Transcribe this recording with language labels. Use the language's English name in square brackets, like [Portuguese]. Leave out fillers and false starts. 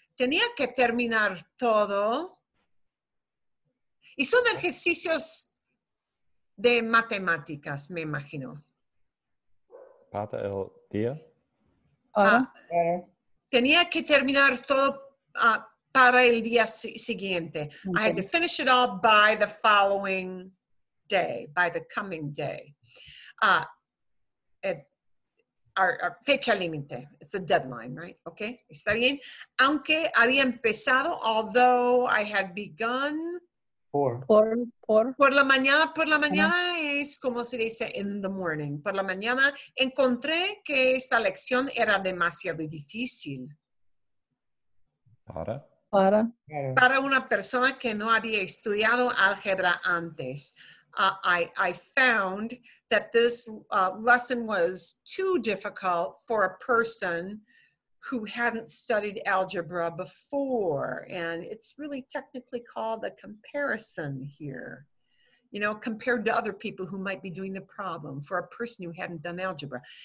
[Spanish] Tenía que terminar todo. Y son ejercicios de matemáticas, me imagino. ¿Para el día? Tenía que terminar todo para el día siguiente. [English] Okay. I had to finish it all by the following day, by the coming day. Our fecha límite. It's a deadline, right? Okay, está bien. Aunque había empezado, although I had begun... [Spanish] Por la mañana es como se dice in the morning. Por la mañana encontré que esta lección era demasiado difícil. Para una persona que no había estudiado álgebra antes. [English] I found that this lesson was too difficult for a person who hadn't studied algebra before. And it's really technically called a comparison here. You know, compared to other people who might be doing the problem for a person who hadn't done algebra.